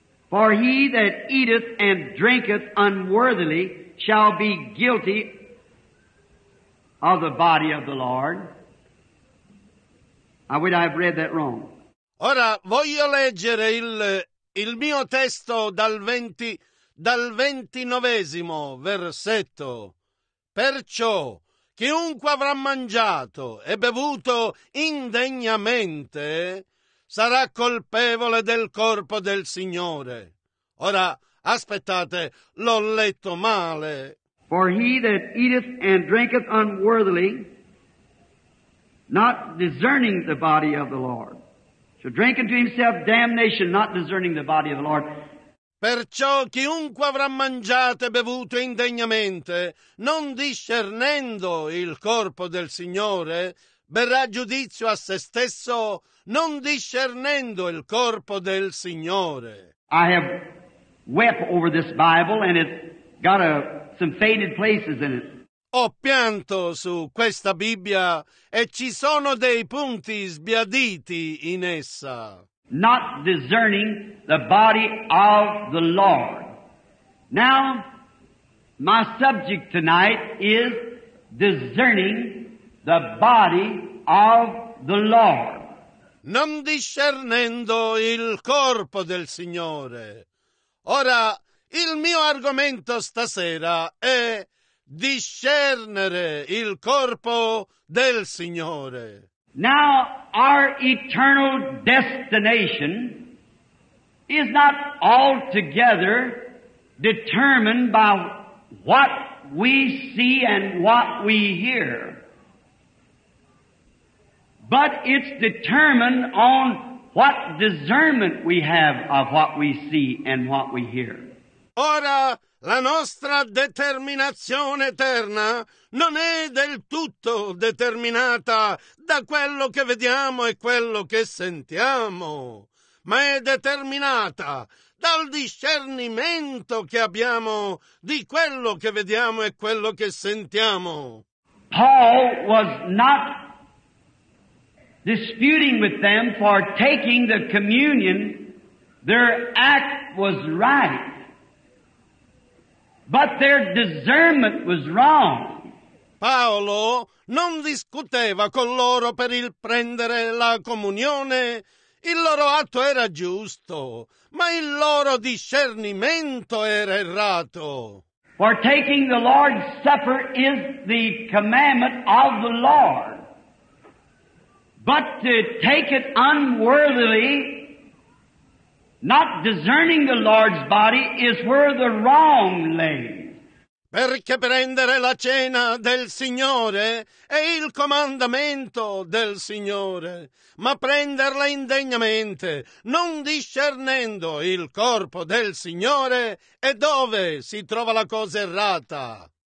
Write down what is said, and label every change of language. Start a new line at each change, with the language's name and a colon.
English: For he that eateth and drinketh unworthily shall be guilty of the body of the Lord. I would have read that wrong.
Italian: Ora voglio leggere il mio testo dal 29esimo versetto. Perciò chiunque avrà mangiato e bevuto indegnamente sarà colpevole del corpo del Signore. Ora aspettate, l'ho letto male.
English: For he that eateth and drinketh unworthily, not discerning the body of the Lord, to drink unto himself damnation, not discerning the body of the Lord.
Italian: Perciò chiunque avrà mangiato e bevuto indegnamente, non discernendo il corpo del Signore, berrà giudizio a se stesso, non discernendo il corpo del Signore.
English: I have wept over this Bible and it's got some faded places in it.
Italian: Ho pianto su questa Bibbia e ci sono dei punti sbiaditi in essa.
English: Not discerning the body of the Lord. Now, my subject tonight is discerning the body of the Lord.
Italian: Non discernendo il corpo del Signore. Ora, il mio argomento stasera è discernere il corpo del Signore.
English: Now our eternal destination is not altogether determined by what we see and what we hear, but it's determined on what discernment we have of what we see and what we hear.
Italian: Ora, la nostra determinazione eterna non è del tutto determinata da quello che vediamo e quello che sentiamo, ma è determinata dal discernimento che abbiamo di quello che vediamo e quello che sentiamo.
English: Paul was not disputing with them for taking the communion. Their act was right. But their discernment was wrong.
Italian: Paolo non discuteva con loro per il prendere la comunione. Il loro atto era giusto, ma il loro discernimento era errato.
English: For taking the Lord's Supper is the commandment of the Lord. But to take it unworthily, not discerning the Lord's body, is where the wrong lay.
Italian: Perché prendere la cena del Signore è il comandamento del Signore, ma prenderla indegnamente, non discernendo il corpo del Signore, è dove si trova la cosa errata.